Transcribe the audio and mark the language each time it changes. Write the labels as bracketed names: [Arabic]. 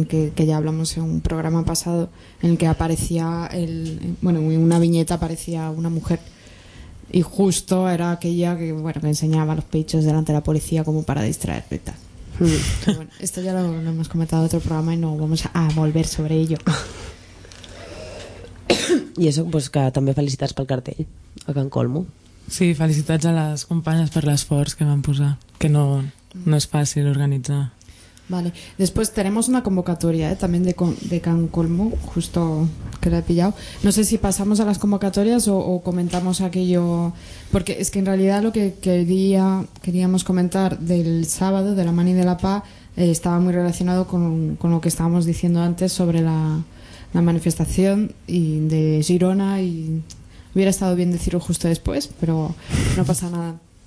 [Spanish] Que ya hablamos en un programa pasado, en el que aparecía en una viñeta aparecía una mujer, y justo era aquella que, bueno, que enseñaba los pechos delante de la policía como para distraer y tal. Bueno, esto ya lo hemos comentado en otro programa y no vamos a volver sobre ello. Y eso, pues que también felicitas [Catalan] pel cartell [Spanish] a Can Colmo. [Catalan] Sí, felicitats a les companyes per l'esforç que van posar, que no és fàcil organitzar. [Spanish] Vale, después tenemos una convocatoria también de Can Colmo, justo que la he pillado. No sé si pasamos a las convocatorias o comentamos aquello, porque es que en realidad lo que queríamos comentar del sábado, de la Mani de la Pa, estaba muy relacionado con lo que estábamos diciendo antes sobre la manifestación y de Girona, y hubiera estado bien decirlo justo después, pero no pasa nada.